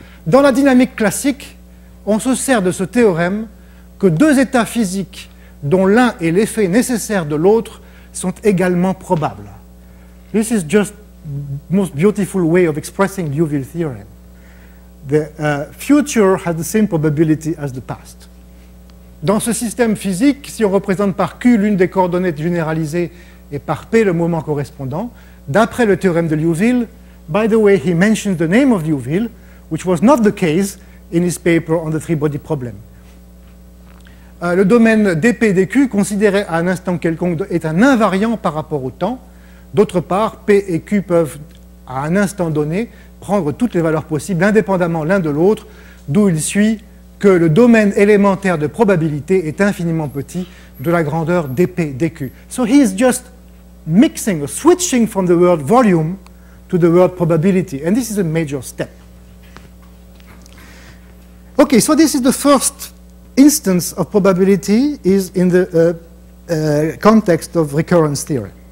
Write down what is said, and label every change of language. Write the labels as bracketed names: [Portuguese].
[French] Dans la dynamique classique, on se sert de ce théorème que deux états physiques dont l'un est l'effet nécessaire de l'autre sont également probables. [English] This is just the most beautiful way of expressing Liouville theorem. The future has the same probability as the past. [French] Dans ce système physique, si on représente par Q l'une des coordonnées généralisées et par P le moment correspondant, d'après le théorème de Liouville, [English] by the way, he mentions the name of Liouville, which was not the case in his paper on the three-body problem. [French] Le domaine dp dq, considéré à un instant quelconque, est un invariant par rapport au temps. D'autre part, p et q peuvent, à un instant donné, prendre toutes les valeurs possibles indépendamment l'un de l'autre, d'où il suit que le domaine élémentaire de probabilité est infiniment petit de la grandeur dp dq. [English] So he is just mixing or switching from the word volume to the word probability, and this is a major step. Okay, so this is the first instance of probability is in the context of recurrence theory.